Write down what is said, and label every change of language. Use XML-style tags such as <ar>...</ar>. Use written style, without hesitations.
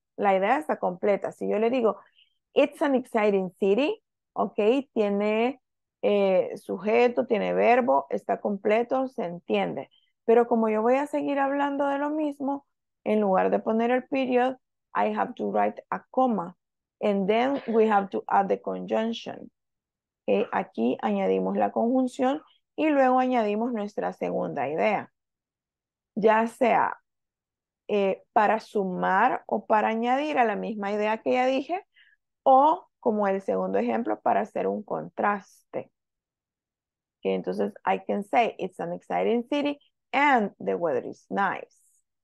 <es>La idea está completa. Si yo le digo,</es> <en>it's an exciting city,</en> <es>ok, tiene sujeto, tiene verbo, está completo, se entiende. Pero como yo voy a seguir hablando de lo mismo, en lugar de poner el period,</es> <en>I have to write a comma. And then we have to add the conjunction.</en> <es>Okay, aquí añadimos la conjunción y luego añadimos nuestra segunda idea. Ya sea para sumar o para añadir a la misma idea que ya dije, o como el segundo ejemplo, para hacer un contraste.</es> <en>Okay, entonces, I can say it's an exciting city and the weather is nice.</en>